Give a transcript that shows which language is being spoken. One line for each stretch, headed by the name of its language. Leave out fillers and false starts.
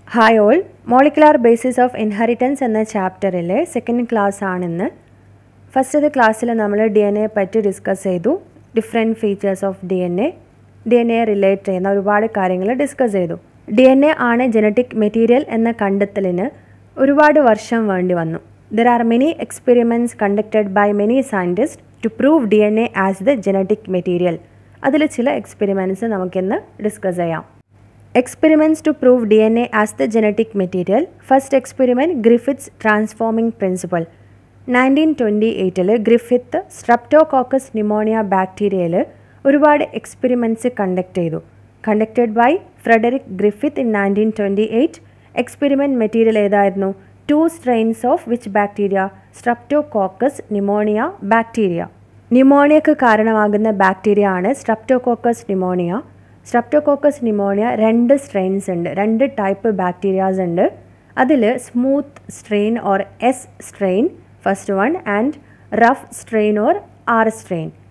English: Hi all,
Malayalam: Molecular Basis of Inheritance എന്ന ചാപ്റ്ററിലെ second class ആണിന്ന്. ഫസ്റ്റത്തെ ക്ലാസ്സിൽ നമ്മൾ ഡി എൻ എ പറ്റി ഡിസ്കസ് ചെയ്തു.
English: different features of D N A
Malayalam: relate ചെയ്യുന്ന ഒരുപാട് കാര്യങ്ങൾ ഡിസ്കസ് ചെയ്തു. ഡി എൻ എ ആണ് ജനറ്റിക് മെറ്റീരിയൽ എന്ന കണ്ടെത്തലിന് ഒരുപാട് വർഷം വേണ്ടി വന്നു.
English: There are many experiments conducted by many scientist to prove D N A as the genetic material.
Malayalam: അതിൽ ചില എക്സ്പെരിമെൻറ്റ്സ് നമുക്കിന്ന് ഡിസ്കസ് ചെയ്യാം.
English: Experiments to prove DNA as the genetic material. First experiment, Griffith's transforming principle.
Malayalam: 1928 Griffith Streptococcus pneumonia bacteria ഒരുപാട് experiments conduct ചെയ്തു.
English: Conducted by Frederick Griffith in 1928. Experiment material
Malayalam: ഏതായിരുന്നു?
English: Two strains of which bacteria? Streptococcus pneumonia bacteria.
Malayalam: ന്യൂമോണിയക്ക് കാരണമാകുന്ന bacteria ആണ് streptococcus pneumonia. Streptococcus pneumonia രണ്ട് strains ഉണ്ട്, രണ്ട് type bacterias ഉണ്ട്.
English: അതിൽ smooth strain or S strain first one and rough strain or R strain.